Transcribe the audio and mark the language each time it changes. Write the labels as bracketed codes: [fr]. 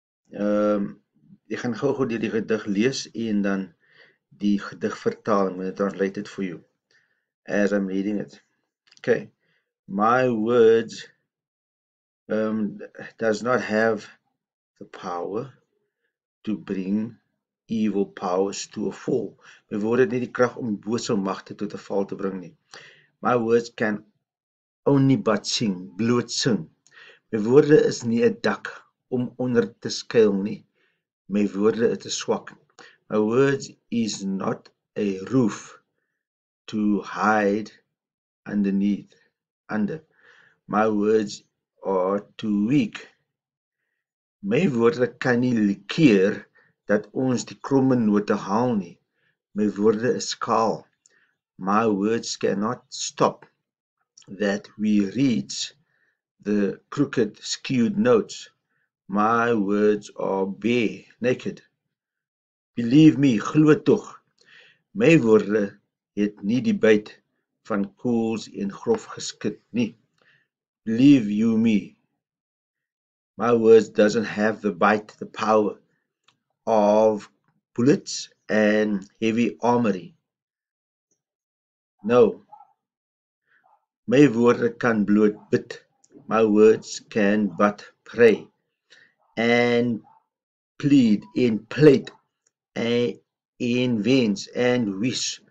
[af] Ek gaan gou-gou die gedig lees en dan die gedig vertaal. [en] I'm going to translate it for you as I'm reading it. Okay, my words does not have the power to bring evil powers to a fall. [af] My woorde het nie die krag om bose magte tot 'n val te bring nie. [en] My words can only but sing, [af] bloot sing. My woorde is nie 'n dak om onder te skuil nie. My woorde is te swak. [en] My words is not a roof to hide underneath. My words are too weak. [af] My woorde kan nie keer dat ons die kromme note haal nie. My woorde is kaal. [en] My words cannot stop that we reach the crooked, skewed notes. My words are bare, naked. Believe me, [af] glo tog. My woorde het nie die byt van koels en grof geskit nie. [en] Believe you me. My words doesn't have the bite, the power of bullets and heavy armory. [af] No. My woorde kan bloot bid. [en] My words can but pray and plead in plate and in wens and wish.